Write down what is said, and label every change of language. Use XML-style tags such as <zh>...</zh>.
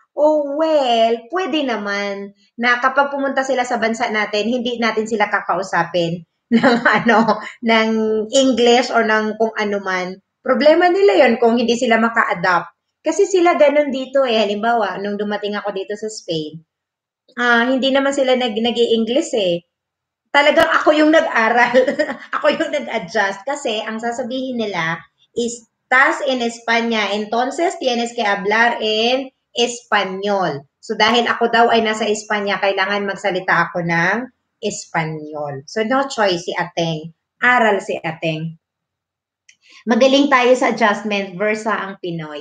<tl>Well, pwede naman na kapag pumunta sila sa bansa natin, hindi natin sila kakausapin ng ano, ng English or ng kung ano man. Problema nila yon kung hindi sila maka-adapt. Kasi sila ganun dito eh. Halimbawa, nung dumating ako dito sa Spain, hindi naman sila nag-i-English eh. Talagang ako yung nag-aral. Ako yung nag-adjust. Kasi ang sasabihin nila,</tl> <es>estás en España, entonces tienes que hablar en Espanyol.</es> <tl>So dahil ako daw ay nasa Espanya, kailangan magsalita ako ng Espanyol. So no choice si Ateng. Aral si Ateng. Magaling tayo sa adjustment versa ang Pinoy.</tl>